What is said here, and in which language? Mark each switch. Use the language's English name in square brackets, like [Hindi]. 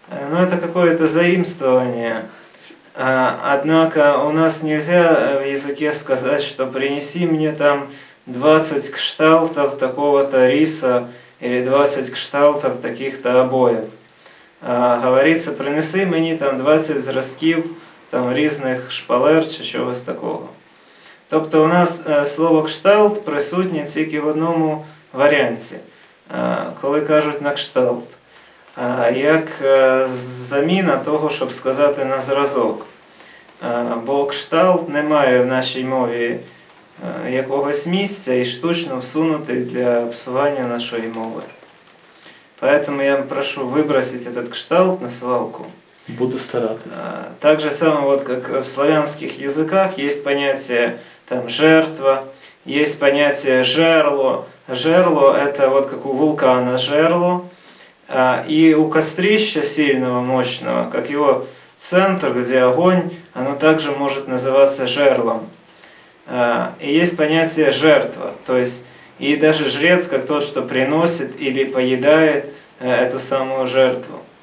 [Russian] Ну, это какое-то заимствование. Однако у нас нельзя в языке сказать, что принеси мне там 20 кшталтов такого-то риса или 20 кшталтов таких-то обоев. Говорится, [Ukrainian] принеси мне там 20 зразків там різних шпалер чи чогось такого. Тобто у нас слово кшталт присутнє тільки в одному варіанті, коли кажуть на кшталт, як заміна того, щоб сказати на зразок. Бо кшталт не має в нашій мові якогось місця і штучно всунути для псування нашої мови. Тому я прошу вибросити цей кшталт на свалку. Буду старатися. Так же саме, як в славянських язиках, є поняття там жертва, є поняття жерло. [Russian] Жерло – это вот как у вулкана жерло, и у кострища сильного, мощного, как его центр, где огонь, оно также может называться жерлом. И есть понятие жертва, то есть и даже жрец, как тот, что приносит или поедает эту самую жертву.